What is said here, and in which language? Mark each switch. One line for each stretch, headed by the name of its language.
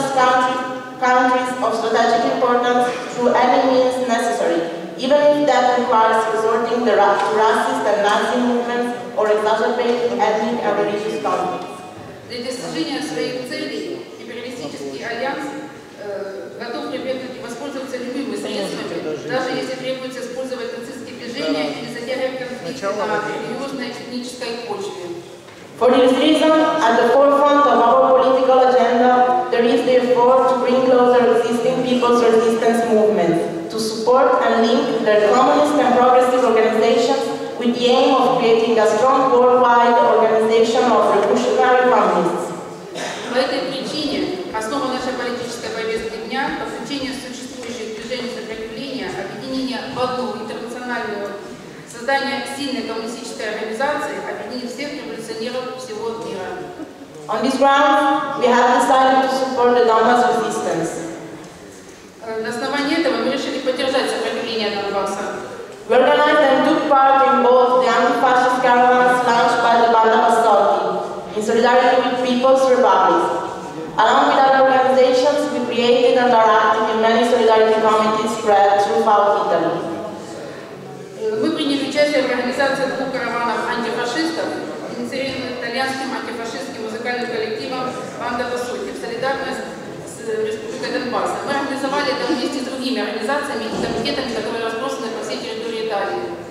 English: Countries of strategic importance through any means necessary, even if that requires resorting to racist and Nazi movements or exacerbating ethnic and religious conflicts.
Russian: Для достижения своих целей империалистический альянс готов прибегнуть и воспользоваться любыми средствами, даже если требуется использовать нацистские движения или затягивать конфликты на южной этнической почве.
English: For this reason, at the forefront of our political agenda, there is the effort to bring closer existing people's resistance movement, to support and link their communist and progressive organizations with the aim of creating a strong worldwide organization of revolutionary communists.
Russian: По этой причине основа нашей политической повестки дня – подключение существующих движений сопротивления, объединение в одну интернациональную создание сильной коммунистической организации, объединив всех революционеров всего мира.
English: On this ground, we have decided to support the Donbas resistance.
Russian: На основании этого мы решили поддержать сопротивление Донбасса.
English: We organized and took part in both the anti-fascist caravans launched by the Banda Pastorti, in solidarity with People's Republic. Along with other organizations, we created and are active in many solidarity committees spread throughout Italy.
Russian: Мы приняли участие в организации двух караванов антифашистов, инициированных итальянским антифашистским музыкальным коллективом «Банда Пасторти» в солидарность с Республикой Донбасса. Мы организовали это вместе с другими организациями и комитетами, которые разбросаны по всей территории Италии.